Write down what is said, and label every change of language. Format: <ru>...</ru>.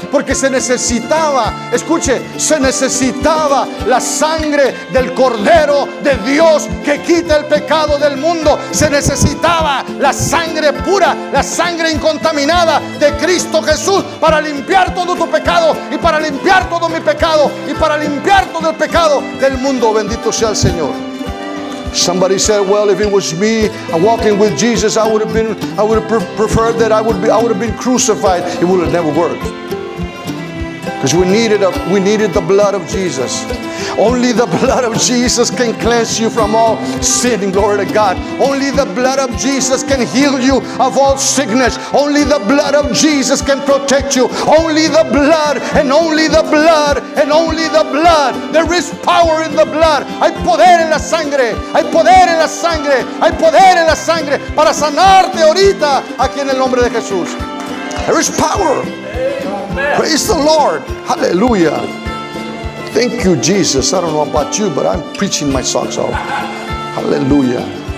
<es>Porque se necesitaba, escuche, se necesitaba la sangre del Cordero de Dios que quita el pecado del mundo. Se necesitaba la sangre pura, la sangre incontaminada de Cristo Jesús para limpiar todo tu pecado y para limpiar todo mi pecado y para limpiar todo el pecado del mundo. Bendito sea el Señor.</es> <en>Somebody said, well, if it was me walking with Jesus, I would have preferred that I would have been crucified. It would have never worked. Because we needed the blood of Jesus. Only the blood of Jesus can cleanse you from all sin, glory to God. Only the blood of Jesus can heal you of all sickness. Only the blood of Jesus can protect you. Only the blood, and only the blood, and only the blood. There is power in the blood.</en> <es>Hay poder en la sangre. Hay poder en la sangre. Hay poder en la sangre para sanarte ahorita aquí en el nombre de Jesús.</es> <en>There is power. Praise the Lord. Hallelujah. Thank you, Jesus. I don't know about you, but I'm preaching my socks off. Hallelujah.</en>